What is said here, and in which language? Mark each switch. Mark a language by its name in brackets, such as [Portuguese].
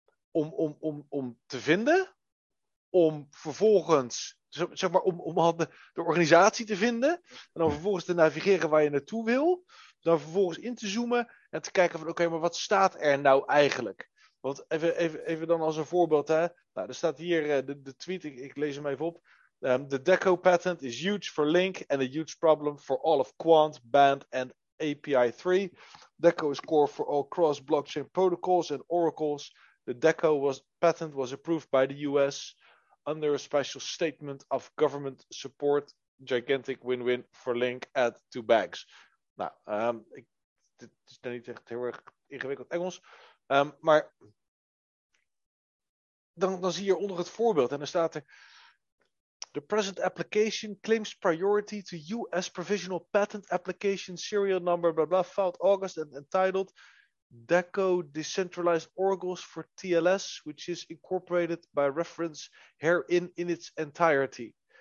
[Dutch] Om te vinden, om vervolgens, zeg maar, om de organisatie te vinden, en dan vervolgens te navigeren waar je naartoe wil, dan vervolgens in te zoomen en te kijken van, oké, maar wat staat er nou eigenlijk? Want even dan als een voorbeeld, hè. Nou, er staat hier de tweet, ik lees hem even op. [English] The Deco patent is huge for Link and a huge problem for all of Quant, Band and API 3. Deco is core for all cross-blockchain protocols and oracles. The Deco patent was approved by the US under a special statement of government support. Gigantic win-win for Link. Add two bags. [Dutch] Nou, het is dan niet echt heel erg ingewikkeld Engels. Maar dan zie je onder het voorbeeld en dan staat er: [English] the present application claims priority to US provisional patent application serial number blah blah filed August and entitled Deco Decentralized Oracles for TLS, which is incorporated by reference herein in its entirety.